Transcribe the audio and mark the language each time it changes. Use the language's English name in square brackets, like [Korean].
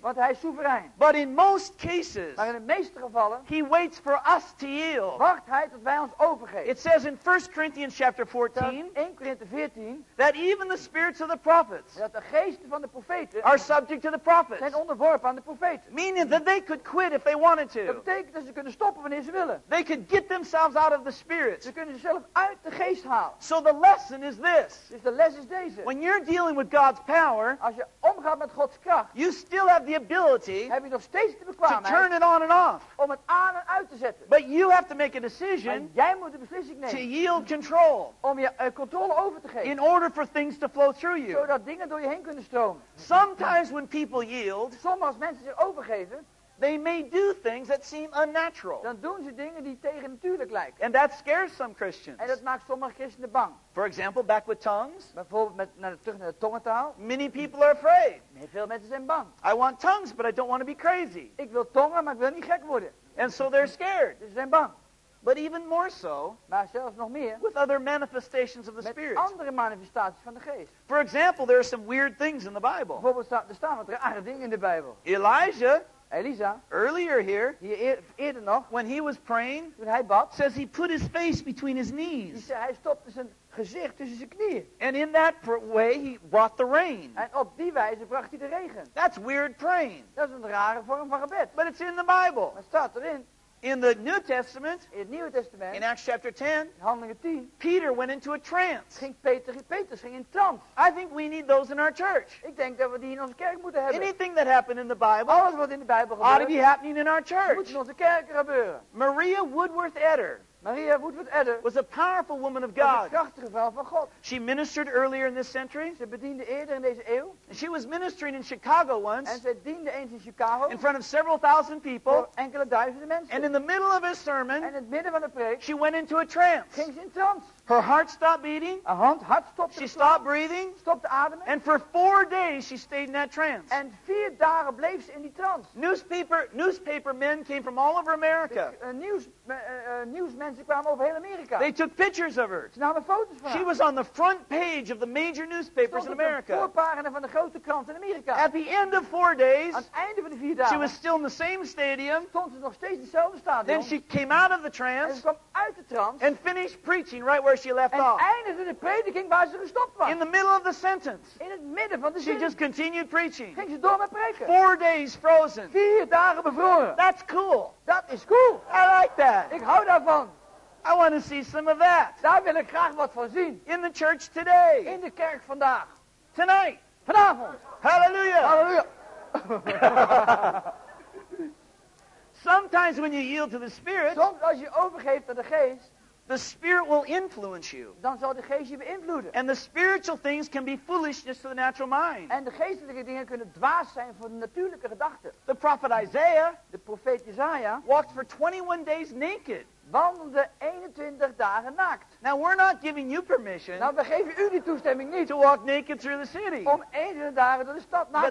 [Dutch] Want hij is soeverein. [English] But in most cases. [Dutch] Maar in de meeste gevallen. [English] He waits for us to yield. [Dutch] Wacht hij tot wij ons overgeven. [English] It says in 1 Corinthians. In chapter 14, [Dutch] 1 Corinthians 14, [English] that even the spirits of the prophets, [Dutch] dat de geesten van de profeten, [English] are subject to the prophets, [Dutch] zijn onderworpen aan de profeten. [English] Meaning that they could quit if they wanted to. [Dutch] Dat betekent dat ze kunnen stoppen wanneer ze willen. [English] They could get themselves out of the spirits. [Dutch] Ze kunnen zichzelf uit de geest halen. [English] So the lesson is this. [Dutch] Dus de les is deze. [English] When you're dealing with God's power, [Dutch] als je omgaat met Gods kracht, [English] you still have the ability, [Dutch] heb je nog steeds de bekwaamheid, [English] to turn it on and off, [Dutch] om het aan en uit te zetten. [English] But you have to make a decision, [Dutch] en jij moet de beslissing nemen, [English] to yield control. [Dutch] Om je controle over te geven. [English] In order for things to flow through you. [Dutch] Zodat dingen door je heen kunnen stromen. [English] Sometimes when people yield. [Dutch] Soms als mensen zich overgeven. [English] They may do things that seem unnatural. [Dutch] Dan doen ze dingen die tegen natuurlijk lijken. [English] And that scares some Christians. [Dutch] En dat maakt sommige christenen bang. [English] For example, back with tongues. [Dutch] Bijvoorbeeld terug naar de tongentaal. [English] Many people are afraid. [Dutch] Heel veel mensen zijn bang. [English] I want tongues, but I don't want to be crazy. [Dutch] Ik wil tongen, maar ik wil niet gek worden. [English] And so they're scared. [Dutch] Dus ze zijn bang. [English] But even more so, [Dutch] maar zelfs nog meer, [English] with other manifestations of the Spirit. [Dutch] Met andere manifestaties van de geest. [English] For example, there are some weird things in the Bible. [Dutch] Bijvoorbeeld, er staan wat rare dingen in de Bijbel. [English] Elijah, [Dutch] Elisa, [English] earlier here, [Dutch] eerder nog, [English] when he was praying, [Dutch] toen hij bad, [English] says he put his face between his knees. [Dutch] Hij stopte zijn gezicht tussen zijn knieën. [English] And in that way he brought the rain. [Dutch] En op die wijze bracht hij de regen. [English] That's weird praying. [Dutch] Dat is een rare vorm van gebed. [English] But it's in the Bible. [Dutch] Maar het staat erin. [English] In the New Testament, [Dutch] in het Nieuwe Testament, [English] in Acts chapter 10, [Dutch] in Handelingen 10, [English] Peter went into a trance. [Dutch] Petrus ging in trance. [English] I think we need those in our church. [Dutch] Ik denk dat we die in onze kerk moeten hebben. [English] Anything that happened in the Bible, [Dutch] alles wat in de Bijbel gebeurt, [English] ought to be happening in our church. [Dutch] Moet in onze kerk gebeuren. [English] Maria Woodworth Edder. [Dutch] Maria Woodworth Edder [English] was a powerful woman of God. [Dutch] Was een krachtige vrouw van God. [English] She ministered earlier in this century. [Dutch] Ze bediende eerder in deze eeuw. [English] And she was ministering in Chicago once. [Dutch] En ze diende eens in Chicago. [English] In front of several thousand people. [Dutch] Voor enkele duizenden mensen. [English] And in the middle of a sermon. [Dutch] En in het midden van de preek. [English] She went into a trance. [Dutch] Ging ze in trance. [English] Her heart stopped beating. [Dutch] Haar hart stopte. [English] She stopped breathing. [Dutch] Stopte ademen. [English] And for 4 days she stayed in that trance. [Dutch] En 4 dagen bleef ze in die trance. [English] Newspaper men came from all over America. [Dutch] Nieuwsmensen kwamen over heel Amerika. [English] They took pictures of her. [Dutch] Ze namen foto's van haar. [English] She was on the front page of the major newspapers in America. [Dutch] Stond op de voorpagina van de grote kranten in Amerika. [English] At the end of 4 days. [Dutch] Aan het einde van de 4 dagen. [English] She was still in the same stadium. [Dutch] Stond ze nog steeds in hetzelfde stadion. [English] Then she came out of the trance. [Dutch] En ze kwam uit de trance. [English] And finished preaching right where she left off. [Dutch] En eindigde de prediking waar ze gestopt was. [English] In the middle of the sentence. [Dutch] In het midden van de zin. [English] She just continued preaching. [Dutch] Ging ze door met preken. [English] 4 days frozen. [Dutch] 4 dagen bevroren. [English] That's cool. [Dutch] Dat is cool. [English] I like that. [Dutch] Ik hou daarvan. [English] I want to see some of that. [Dutch] Daar wil ik graag wat van zien. [English] In the church today. [Dutch] In de kerk vandaag. [English] Tonight. [Dutch] Vanavond. [English] Hallelujah. [Dutch] Hallelujah. [English] Sometimes when you yield to the Spirit. [Dutch] Soms als je overgeeft aan de geest. [English] The Spirit will influence you. [Dutch] Dan zal de geest je beïnvloeden. [English] And the spiritual things can be foolishness to the natural mind. [Dutch] En de geestelijke dingen kunnen dwaas zijn voor de natuurlijke gedachten. [English] The prophet Isaiah, [Dutch] de profeet Isaiah, [English] walked for 21 days naked. [Dutch] Wandelde 21 dagen naakt. [English] Now we're not giving you permission. [Dutch] Nou, we geven u die toestemming niet. [English] To walk naked through the city. [Dutch] Om 21 dagen door de stad naakt.